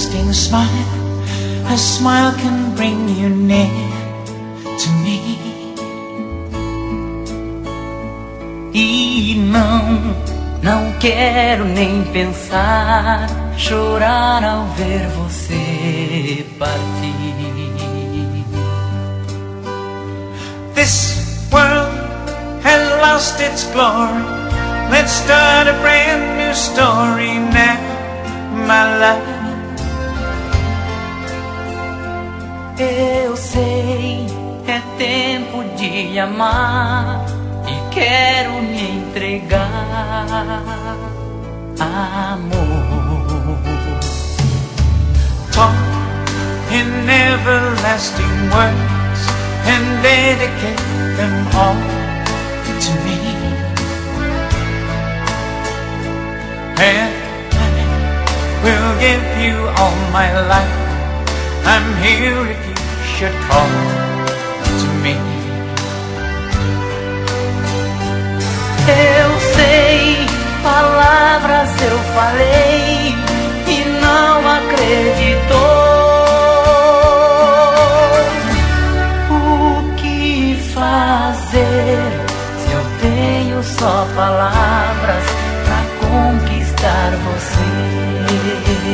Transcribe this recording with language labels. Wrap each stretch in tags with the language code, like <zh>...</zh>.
<en>smile, a smile can bring you near to me.</en> <pt>E não quero nem pensar, chorar ao ver você partir.</pt> <en>This world has lost its glory. Let's start a brand new story now, my love.</en> <pt>Eu sei, é tempo de amar e quero me entregar, amor.</pt> <en>Talk in everlasting words and dedicate them all to me. And I will give you all my life. I'm here if you should call to me.</en> <pt>Eu sei, palavras eu falei e não acreditou. O que fazer se eu tenho só palavras pra conquistar você?</pt>